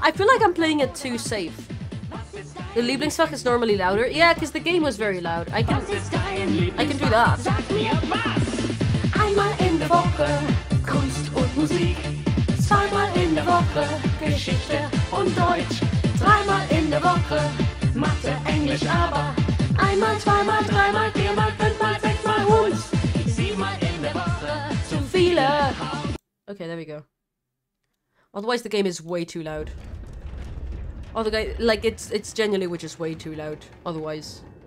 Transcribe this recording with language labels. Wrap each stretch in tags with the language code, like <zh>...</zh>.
<en>I feel like I'm playing it too safe. The Lieblingsfach is normally louder. Yeah, because the game was very loud. I can do that.</en> <de>Einmal in der Woche, Kunst und Musik. Zweimal in der Woche, Geschichte und Deutsch. Dreimal in der Woche, Mathe, Englisch, aber. Einmal, zweimal, dreimal, viermal, fünfmal, sechsmal, und. Siebenmal in der Woche, zu viele.</de> <en>Okay, there we go. Otherwise, the game is way too loud. Oh, the guy, like, it's genuinely, which is way too loud, otherwise.</en>